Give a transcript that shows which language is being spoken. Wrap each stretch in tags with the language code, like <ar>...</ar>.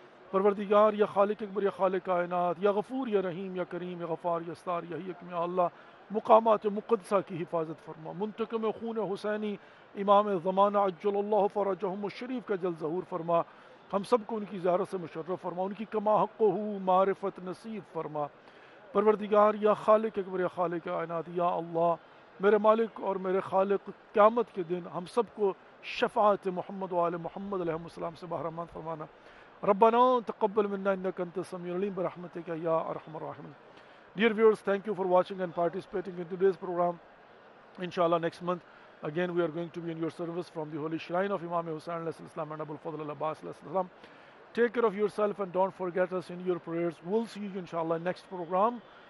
<ur>پروردگار یا خالق اکبر یا خالق کائنات یا غفور یا رحیم یا کریم یا غفار یا ستار یا حکیم یا اللہ، مقامات مقدسہ کی حفاظت فرما، منتقم خون حسینی امام زمانہ عجل اللہ فرجہم الشریف کا جل ظہور فرما، ہم سب کو ان کی زیارت سے مشرف فرما، ان کی کما حق ہو معرفت نصیب فرما. پروردگار یا خالق اکبر یا خالق کائنات یا اللہ، میرے مالک اور میرے خالق، قیامت کے دن ہم سب کو شفاعت محمد و آل محمد علیہ السلام سے بحرمان فرمانا.</ur> <ar>ربنا تقبل منا انك انت السميع العليم برحمتك يا ارحم الراحمين.</ar> <en>Dear viewers, thank you for watching and participating in today's program. Inshallah, next month again we are going to be in your service from the holy shrine of Imam Hussain alayhi salam and Abul Fadl al-Abbas alayhi salam. Take care of yourself and don't forget us in your prayers. We'll see you inshallah next program.</en>